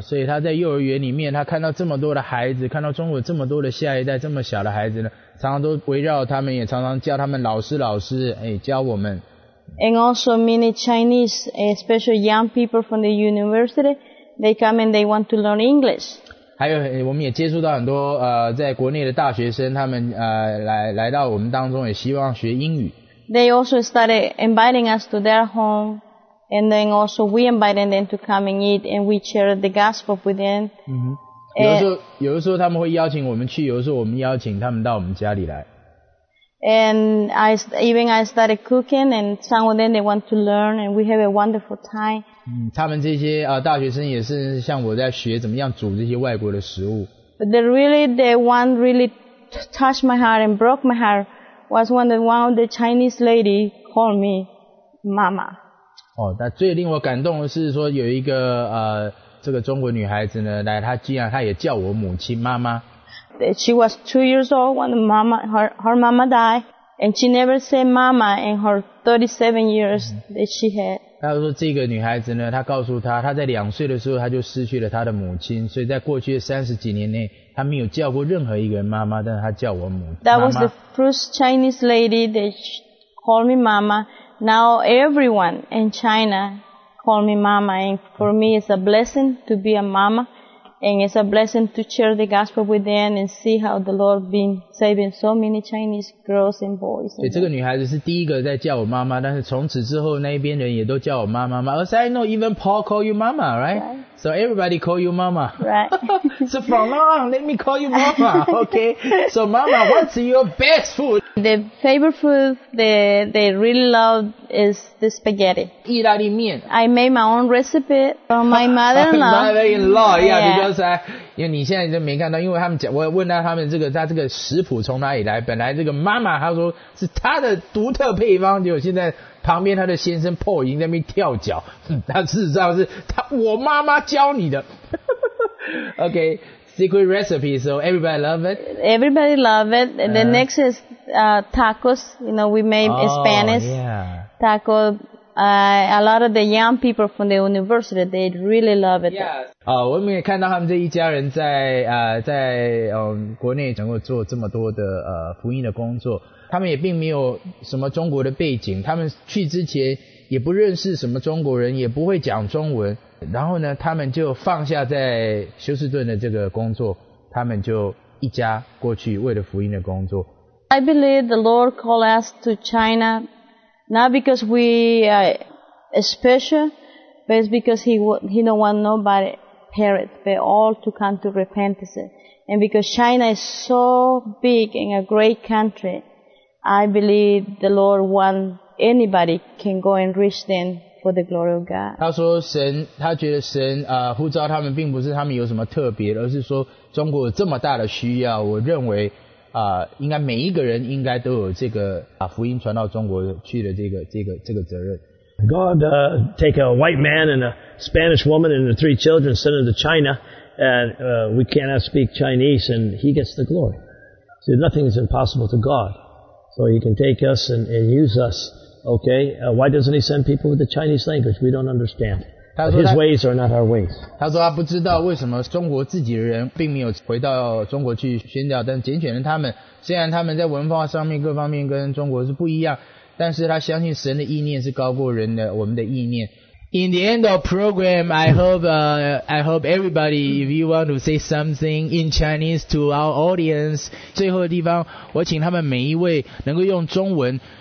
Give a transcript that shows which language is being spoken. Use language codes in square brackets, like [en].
[zh] 所以他在幼儿园里面，他看到这么多的孩子，看到中国这么多的下一代，这么小的孩子呢，常常都围绕他们，也常常叫他们老师，老师，哎，教我们。 [en] And also many Chinese, especially young people from the university, they come and they want to learn English. [zh] 还有，我们也接触到很多在国内的大学生，他们来到我们当中，也希望学英语。 [en] They also started inviting us to their home. And then also we invited them to come and eat, and we shared the gospel with them. [zh] 嗯哼，有的时候他们会邀请我们去，有的时候我们邀请他们到我们家里来。 [en] And I started cooking, and some of them they want to learn, and we have a wonderful time. [zh] 嗯，他们这些大学生也是像我在学怎么样煮这些外国的食物。 [en] But the one really touched my heart and broke my heart was when one of the Chinese lady called me Mama. [zh] 哦，那最令我感动的是说有一个这个中国女孩子呢，来她竟然她也叫我母亲妈妈。 [en] She was 2 years old when her mama died, and she never said mama in her 37 years that she had. [zh] 她说这个女孩子呢，她告诉她，她在2岁的时候她就失去了她的母亲，所以在过去的30几年内，她没有叫过任何一个人妈妈，但是她叫我母亲。 [en] That was the first Chinese lady that called me mama. Now everyone in China call me mama, and for me it's a blessing to be a mama, and it's a blessing to share the gospel with them and see how the Lord been saving so many Chinese girls and boys. [zh] 对，这个女孩子是第一个在叫我妈妈，但是从此之后那边人也都叫我妈妈嘛。 [en] As I know, even Paul call you mama, right? Right. So everybody call you mama. Right. So from now on, let me call you mama, okay? So mama, what's your best food? The favorite food they really love is the spaghetti. [zh] 意大利面. [en] I made my own recipe from my mother-in-law. Mother-in-law, yeah, yeah. Because I, [zh] 因为你现在就没看到，因为他们讲，我问到他们这个，他这个食谱从哪里来？本来这个妈妈她说是她的独特配方，结果现在旁边她的先生 Paul 已经在那边跳脚，他事实上是他我妈妈教你的。 [en] okay. Secret recipe, so everybody love it. Everybody love it. And the next is tacos. You know, we made Spanish taco. A lot of the young people from the university, they really love it. Yeah. [zh] 我们也看到他们这一家人在国内能够做这么多的福音的工作。他们也并没有什么中国的背景，他们去之前也不认识什么中国人，也不会讲中文。然后呢，他们就放下在休斯顿的这个工作，他们就一家过去为了福音的工作。 [en] I believe the Lord called us to China, not because we are special, but it's because He don't want nobody perish, but all to come to repentance. And because China is so big and a great country, I believe the Lord want anybody can go and reach them. For the glory of God. [zh] 他说神，他觉得神呼召他们，并不是他们有什么特别，而是说中国有这么大的需要。我认为应该每一个人应该都有这个福音传到中国去的这个责任。 [en] God take a white man and a Spanish woman and the 3 children, send them to China, and we cannot speak Chinese, and He gets the glory. So nothing is impossible to God. So He can take us and use us. Okay, why doesn't he send people with the Chinese language? We don't understand. His ways are not our ways. [zh] 他说他不知道为什么中国自己的人并没有回到中国去宣教，但拣选了他们。虽然他们在文化上面各方面跟中国是不一样，但是他相信神的意念是高过人的我们的意念。 [en] In the end of program, I hope everybody, if you want to say something in Chinese to our audience, [zh] 最后的地方，我请他们每一位能够用中文。